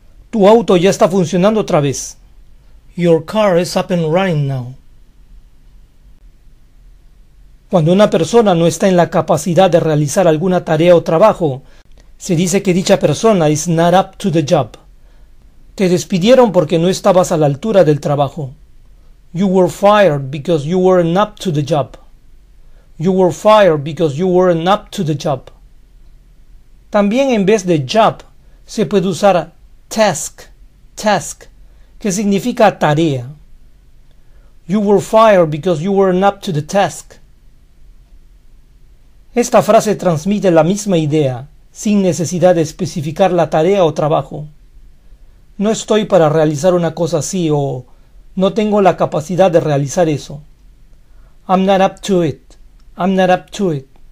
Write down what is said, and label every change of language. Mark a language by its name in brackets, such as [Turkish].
[Spanish] Tu auto ya está funcionando otra vez. [English] Your car is up and running now. [Spanish] Cuando una persona no está en la capacidad de realizar alguna tarea o trabajo, se dice que dicha persona [English] is not up to the job. [Spanish] Te despidieron porque no estabas a la altura del trabajo. [English] You were fired because you weren't up to the job. You were fired because you weren't up to the job. [Spanish] También en vez de job, se puede usar task, task, que significa tarea. [English] You were fired because you weren't up to the task. [Spanish] Esta frase transmite la misma idea, sin necesidad de especificar la tarea o trabajo. No estoy para realizar una cosa así o no tengo la capacidad de realizar eso. [English] I'm not up to it. I'm not up to it.